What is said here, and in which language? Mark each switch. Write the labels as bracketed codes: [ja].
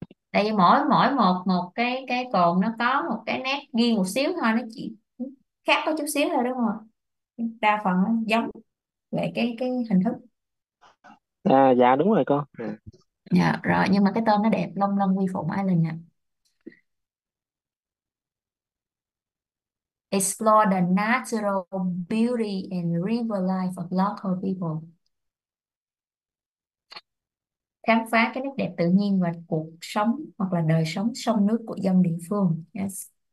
[vi] Tại vì mỗi mỗi một một cái cồn nó có một cái nét riêng một xíu thôi, nó chỉ khác có chút xíu thôi đúng không, đa phần nó giống về cái hình thức. À, dạ đúng rồi con. À. Dạ rồi, nhưng mà cái tên nó đẹp, Long Long Quy Phụng Island nha. [en] Explore the natural beauty and river life of local people. [vi] Khám phá cái nét đẹp tự nhiên và cuộc sống hoặc là đời sống sông nước của dân địa phương. Yes.